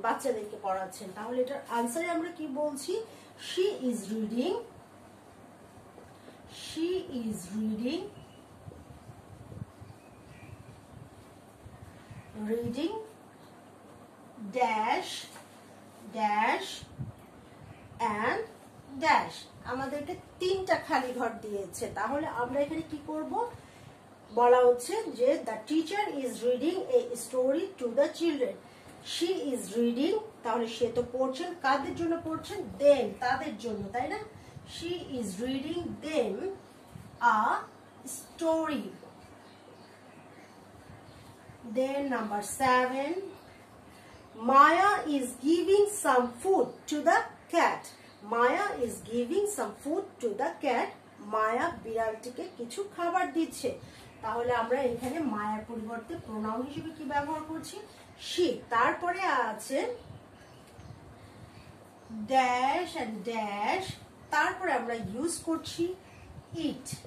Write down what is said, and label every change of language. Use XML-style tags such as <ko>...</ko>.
<bn>Bachchaderke porachen. Tahole etar answer amra ki bolchi?</bn> <en>She is reading. She is reading, reading dash dash and dash.</en> <bn>আমাদেরকে তিনটা খালি ঘর দিয়েছে, তাহলে আমরা এখানে কি করব? বলা হচ্ছে যে</bn> <en>the teacher is reading a story to the children. She is reading,</en> <bn>তাহলে সে তো পড়ছেন, কাদের জন্য পড়ছেন? Them, তাদের জন্য, তাই না?</bn> <en>She is reading them a story. Then number seven, Maya is giving some food to the cat. Maya is giving some food to the cat.</en> <bn>Maya বিড়ালটিকে কিছু খাবার দিচ্ছে। তাহলে আমরা এখানে মায়ার পরিবর্তে প্রোনাউন হিসেবে কি ব্যবহার করছি? শি। তারপরে আছে</bn> <en>dash and dash,</en> <bn>তারপরে আমরা ইউজ করছি ইট।</bn>